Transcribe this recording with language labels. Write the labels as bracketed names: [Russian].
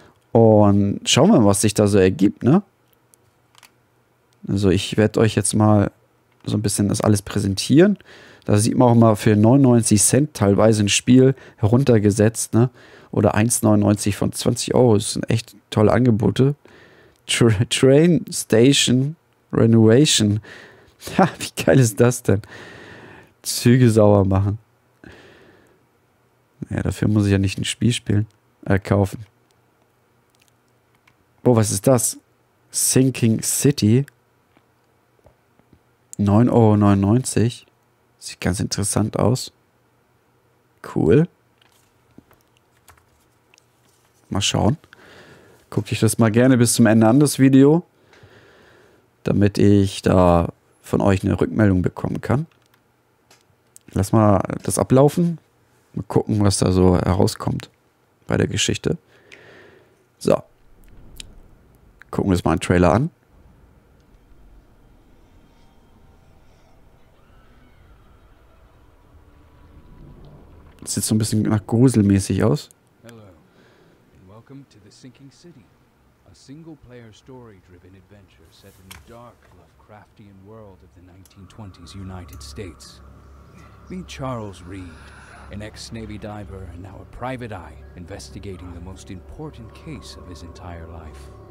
[German] Und schauen wir mal, was sich da so ergibt, ne? Also ich werde euch jetzt mal so ein bisschen das alles präsentieren. Da sieht man auch mal für 99 Cent teilweise ein Spiel heruntergesetzt, ne? Oder 1,99 von 20 Euro. Das sind echt tolle Angebote. Train Station Renovation. Ha, wie geil ist das denn? Züge sauber machen. Ja, dafür muss ich ja nicht ein Spiel spielen. Kaufen. Oh, was ist das? Sinking City. 9,99 Euro. Sieht ganz interessant aus. Cool. Mal schauen. Guck dich das mal gerne bis zum Ende an, das Video. Damit ich da von euch eine Rückmeldung bekommen kann. Lass mal das ablaufen. Mal gucken, was da so herauskommt bei der Geschichte. So. Gucken wir uns mal einen Trailer an. Das sieht so ein bisschen nach gruselmäßig aus. Hallo. Willkommen [English] to the Sinking City. A single-player story-driven adventure set in the dark Lovecraftian world of the 1920s United States. Meet Charles Reed, an ex-Navy diver and now a private eye investigating the most important case of his entire life.